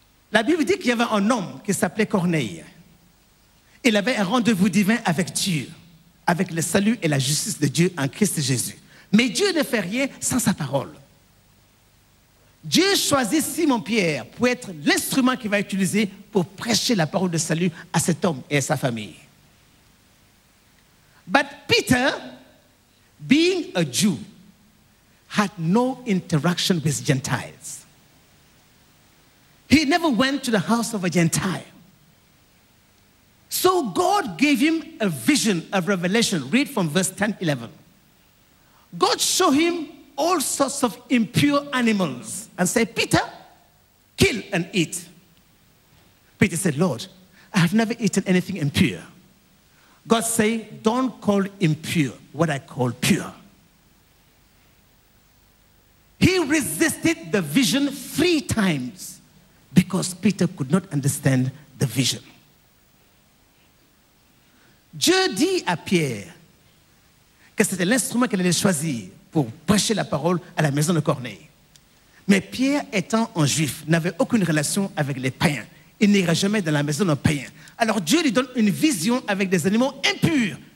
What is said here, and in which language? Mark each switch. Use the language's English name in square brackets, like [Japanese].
[French] La Bible dit qu'il y avait un homme qui s'appelait Corneille. Il avait un rendez-vous divin avec Dieu, avec le salut et la justice de Dieu en Christ Jésus. Mais Dieu ne fait rien sans sa parole. Dieu choisit Simon-Pierre pour être l'instrument qu'il va utiliser pour prêcher la parole de salut à cet homme et à sa famille. [English] But Peter, being a Jew, had no interaction with Gentiles. He never went to the house of a Gentile. So God gave him a vision, a revelation. Read from verse 10, 11. God showed him all sorts of impure animals and said, Peter, kill and eat. Peter said, Lord, I have never eaten anything impure. God said, don't call impure what I call pure. He resisted the vision 3 times because Peter could not understand the vision. [French] Dieu dit à Pierre que c'était l'instrument qu'il allait choisir pour prêcher la parole à la maison de Corneille. Mais Pierre, étant un juif, n'avait aucune relation avec les païens. Il n'ira jamais dans la maison d'un païen. Alors Dieu lui donne une vision avec des animaux impurs.